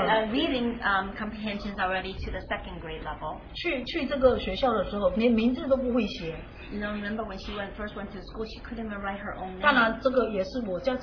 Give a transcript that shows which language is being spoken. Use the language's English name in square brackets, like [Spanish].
[English] reading comprehension is already to the second grade level. [Chinese] 去这个学校的时候, 连名字都不会写。 [English] You know, remember when she went first went to school, she couldn't even write her own name.